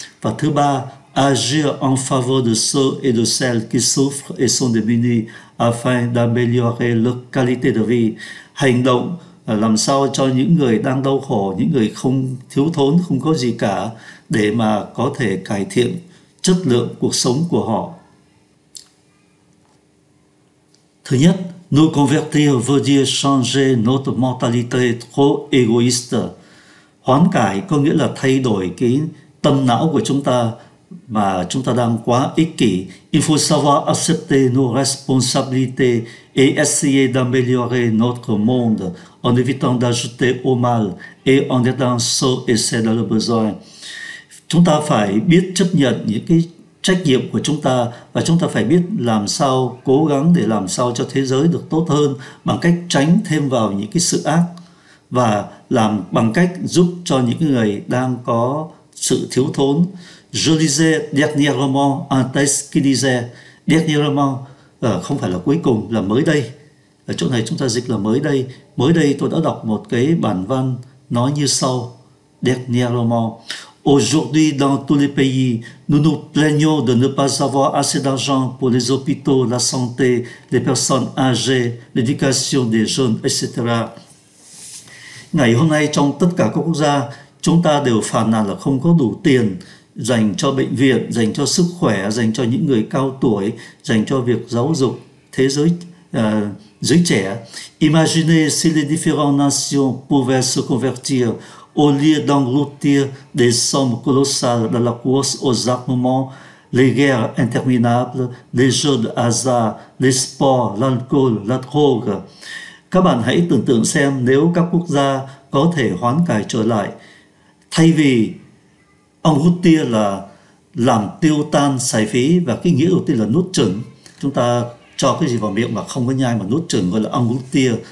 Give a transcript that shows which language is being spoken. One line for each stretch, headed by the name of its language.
Vietnamese: Và thứ ba,
French: agir en faveur de ceux et de celles qui souffrent et sont démunis afin d'améliorer leur qualité de vie.
Vietnamese: Hành động làm sao cho những người đang đau khổ, những người không thiếu thốn, không có gì cả, để mà có thể cải thiện chất lượng cuộc sống của họ. Thứ nhất,
French: nous convertir veut dire changer notre mentalité trop égoïste.
Vietnamese: Hoán cải có nghĩa là thay đổi cái tâm não của chúng ta mà chúng ta đang quá ích kỷ.
French: Il faut savoir accepter nos responsabilités et essayer d'améliorer notre monde en évitant d'ajouter au mal et en aidant ceux et celles dans le besoin.
Vietnamese: Chúng ta phải biết chấp nhận những cái trách nhiệm của chúng ta, và chúng ta phải biết làm sao cố gắng để làm sao cho thế giới được tốt hơn bằng cách tránh thêm vào những cái sự ác, và làm bằng cách giúp cho những người đang có sự thiếu thốn.
French: Je disais dernièrement, un texte qui disait dernièrement,
Vietnamese: không phải là cuối cùng, là mới đây. Ở chỗ này chúng ta dịch là mới đây. Mới đây tôi đã đọc một cái bản văn nói như sau.
French: Dernièrement. Aujourd'hui, dans tous les pays, nous nous plaignons de ne pas avoir assez d'argent pour les hôpitaux, la santé, les personnes âgées, l'éducation des jeunes, etc.
Vietnamese: Ngày hôm nay, trong tất cả các quốc gia, chúng ta đều phàn nàn là không có đủ tiền dành cho bệnh viện, dành cho sức khỏe, dành cho những người cao tuổi, dành cho việc giáo dục thế giới giới trẻ.
French: Imaginez si les différentes nations pouvaient se convertir au lieu d'engloutir des sommes colossales dans la course aux armements, les guerres interminables, les jeux de hasard, les sports, l'alcool, la drogue.
Vietnamese: Các bạn hãy tưởng tượng xem nếu các quốc gia có thể hoán cải trở lại, thay vì ông hút tia là làm tiêu tan xài phí, và cái nghĩa đầu tiên là nuốt chửng, chúng ta cho cái gì vào miệng mà không có nhai mà nuốt chửng, gọi là ông hút tia.